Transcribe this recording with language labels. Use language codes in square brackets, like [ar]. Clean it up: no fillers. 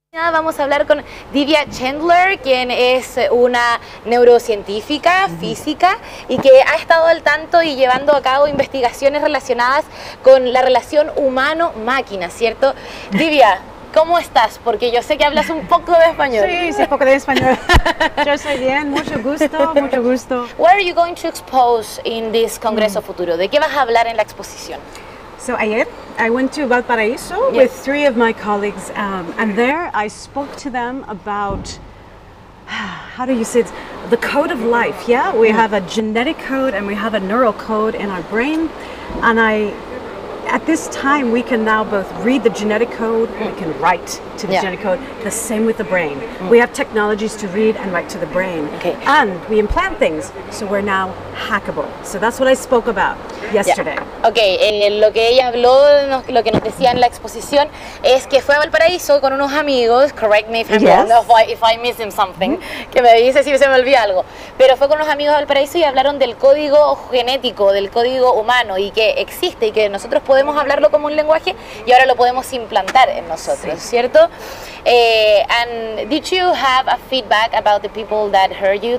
[es] vamos a hablar con Divya Chander, quien es una neurocientífica física y que ha estado al tanto y llevando a cabo investigaciones relacionadas con la relación humano-máquina, ¿cierto? Divya, ¿cómo estás? Porque yo sé que hablas un poco de español. Sí, sí, un poco de español. Yo estoy bien, mucho gusto, mucho gusto. [en] What are you going to expose in this Congreso Futuro? [es] ¿De qué vas a hablar en la exposición? [en] So ayer, I went to Valparaíso with three of my colleagues, and there I spoke to them about, how do you say it, the code of life, yeah? We have a genetic code and we have a neural code in our brain, and at this time we can now both read the genetic code, we can write to the genetic code, the same with the brain. We have technologies to read and write to the brain, and we implant things, so we're now hackable. So that's what I spoke about yesterday. Yeah. [es] Okay, lo que ella habló, lo que nos decía en la exposición, es que fue a Valparaíso con unos amigos, [en] correct me if I'm missing something, [es] que me dice si se me olvida algo, pero fue con unos amigos a Valparaíso y hablaron del código genético, del código humano, y que existe, y que nosotros podemos hablarlo como un lenguaje, y ahora lo podemos implantar en nosotros, ¿cierto? [en] And did you have a feedback about the people that heard you?